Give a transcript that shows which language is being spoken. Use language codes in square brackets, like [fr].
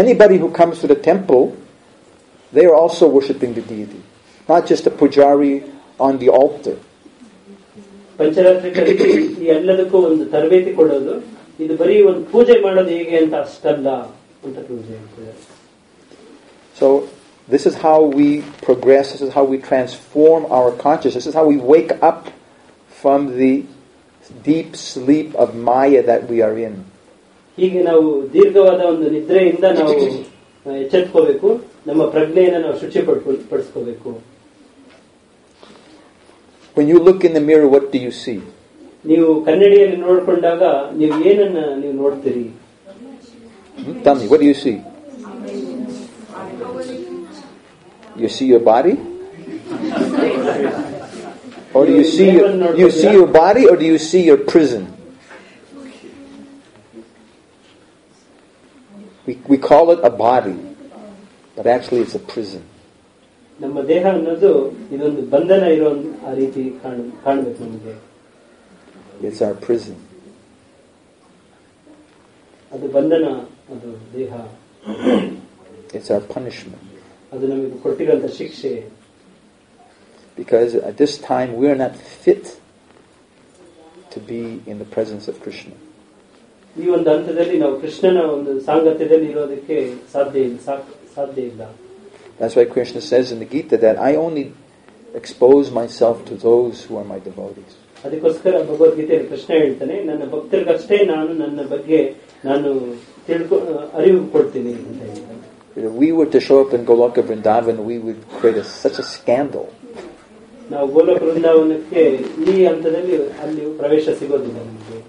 [en] Anybody who comes to the temple, they are also worshipping the deity. Not just a pujari on the altar. [kn] ಪಂಚರಾತ್ರಿ ಈ ಎಲ್ಲದಕ್ಕೂ ಒಂದು ತರಬೇತಿ ಕೊಡೋದು, ಇದು ಬರೀ ಒಂದು ಪೂಜೆ ಮಾಡೋದು ಹೇಗೆ ಅಂತ ಅಷ್ಟಲ್ಲ ಅಂತ ಪೂಜೆ ಹೇಳ್ತಾರೆ. [en] So this is how we progress, this is how we transform our consciousness, this is how we wake up from the deep sleep of Maya that we are in. [kn] ಹೀಗೆ ನಾವು ದೀರ್ಘವಾದ ಒಂದು ನಿದ್ರೆಯಿಂದ ನಾವು ಎಚ್ಚೆತ್ಕೋಬೇಕು, ನಮ್ಮ ಪ್ರಜ್ಞೆಯನ್ನು ನಾವು ಶುಚಿ ಪಡಿಸ್ಕೋಬೇಕು. [en] When you look in the mirror, what do you see? [kn] ನೀವು ಕನ್ನಡಿಯಲ್ಲಿ ನೋಡಿಕೊಂಡಾಗ ನೀವು ಏನನ್ನ ನೀವು ನೋಡ್ತೀರಿ? [en] Tell me, what do you see? You see your body? Or do you see your body or do you see your prison? We call it a body, but actually it's a prison. [kn] ನಮ್ಮ ದೇಹ ಅನ್ನೋದು ಇದೊಂದು ಬಂಧನ ಇರೋ ಆ ರೀತಿ ಕಾಣಬೇಕು ನಮಗೆ. [en] It's our prison. [kn] ಅದು ಬಂಧನ, ಅದು ದೇಹ. [en] It's our punishment. [kn] ಅದು ನಮಗೆ ಕೊಟ್ಟಿರುವಂತಹ ಶಿಕ್ಷೆ. [en] Because at this time we are not fit to be in the presence of Krishna. [kn] ಈ ಒಂದು ಹಂತದಲ್ಲಿ ನಾವು ಕೃಷ್ಣನ ಒಂದು ಸಾಂಗತ್ಯದಲ್ಲಿ ಇರೋದಕ್ಕೆ ಸಾಧ್ಯ ಇಲ್ಲ. [en] That's why Krishna says in the Gita that I only expose myself to those who are my devotees. [kn] ಅದಕ್ಕೋಸ್ಕರ ಭಗವದ್ ಗೀತೆಯಲ್ಲಿ ಕೃಷ್ಣ ಹೇಳ್ತಾನೆ, ನನ್ನ ಭಕ್ತರಿಗಷ್ಟೇ ನಾನು ನನ್ನ ಬಗ್ಗೆ ನಾನು ಅರಿವು ಕೊಡ್ತೀನಿ ಅಂತ ಹೇಳಿ. [en] We were to show up in Goloka Vrindavan, we would create such a scandal. [kn] ನಾವು ಗೋಲೋಕ ವೃಂದಾವನಕ್ಕೆ ಈ ಹಂತದಲ್ಲಿ ಅಲ್ಲಿ ಪ್ರವೇಶ ಸಿಗೋದಿಲ್ಲ ನಮಗೆ.